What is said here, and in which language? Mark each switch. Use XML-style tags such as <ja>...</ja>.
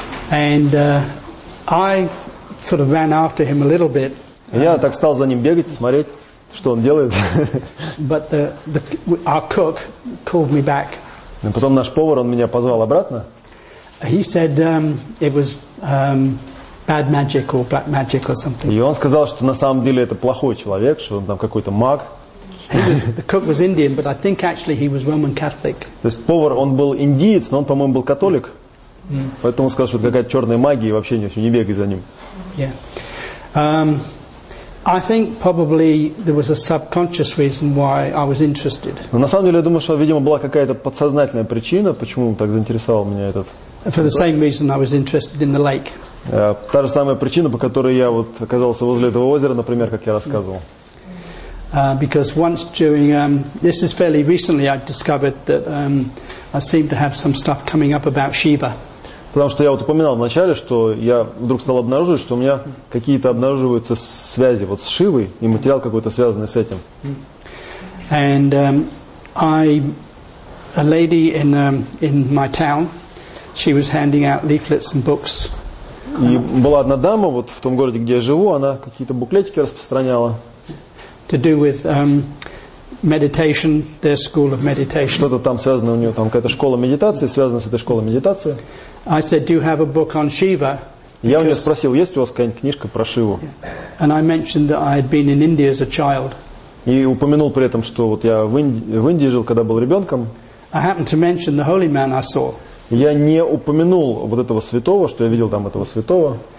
<en>And I sort of ran after him a little bit.</en> <ru>Я так стал за ним бегать, смотреть, что он делает.</ru> <en>But our cook called me back.</en> <ru>И потом наш повар, он меня позвал обратно.</ru> <en>He said it was. Bad magic or black magic or something.</en> <ru>И он сказал, что на самом деле это плохой человек, что он там какой-то маг.</ru> <en>The cook was Indian, but I think actually he was Roman Catholic.</en> <ru>То есть повар, он был индиец, но он, по-моему, был католик. Mm. Поэтому он сказал, что это какая-то черная магия, и вообще не бегай за ним.</ru> <en>Yeah. I think probably there was a subconscious reason why I was interested.</en> <ru>Но на самом деле, я думаю, что, видимо, была какая-то подсознательная причина, почему он так заинтересовал меня этот.</ru> <en>For the same reason I was interested in the lake.</en> <ru>Та же самая причина, по которой я вот оказался возле этого озера, например, как я рассказывал.</ru> <en>Because once during this is fairly recently I discovered that I seem to have some stuff coming up about Shiva.</en> <ru>Потому что я вот упоминал в начале, что я вдруг стал обнаруживать, что у меня какие-то обнаруживаются связи вот с Шивой и материал какой-то связанный с этим.</ru> <en>And a lady in my town, she was handing out leaflets and books.</en> <ru>И была одна дама вот в том городе, где я живу, она какие-то буклетики распространяла.</ru> <en>To do with meditation, their school of meditation.</en> <ru>Что-то там связано у нее, там какая-то школа медитации, связана с этой школой медитации.</ru> <en>I said, do you have a book on Shiva?</en> <ru>Я у него спросил, есть у вас какая-нибудь книжка про Шиву?</ru> <en>And I mentioned that I had been in India as a child.</en> <ru>И упомянул при этом, что вот я в Индии жил, когда был ребенком.</ru> <en>I happened to mention the holy man I saw.</en> <ru>Я не упомянул вот этого святого, что я видел там этого святого.</ru>